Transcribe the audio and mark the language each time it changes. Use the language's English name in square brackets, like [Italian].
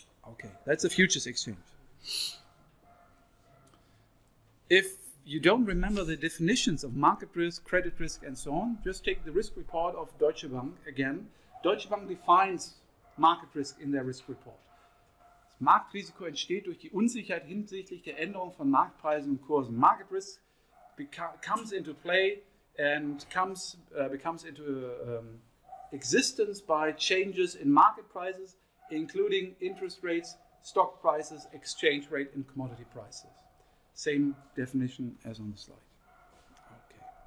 [English] Okay, that's a futures exchange. If you don't remember the definitions of market risk, credit risk, and so on, just take the risk report of Deutsche Bank again. Deutsche Bank defines market risk in their risk report. [German] Marktrisiko entsteht durch die Unsicherheit hinsichtlich der Änderung von Marktpreisen und Kursen. [English] Market risk comes into play and becomes into existence by changes in market prices, including interest rates, stock prices, exchange rate, and commodity prices. Same definition as on the slide. Okay.